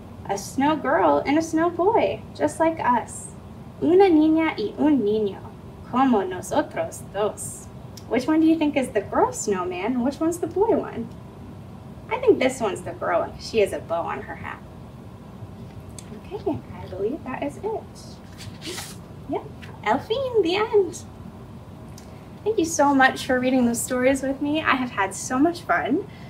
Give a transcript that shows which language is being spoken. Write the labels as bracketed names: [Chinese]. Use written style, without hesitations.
[English] A snow girl and a snow boy, just like us. [Spanish] Una niña y un niño, como nosotros dos. [English] Which one do you think is the girl snowman? Which one's the boy one? I think this one's the girl one. She has a bow on her hat. Okay, I believe that is it. Yep, Elphine, the end. Thank you so much for reading those stories with me. I have had so much fun.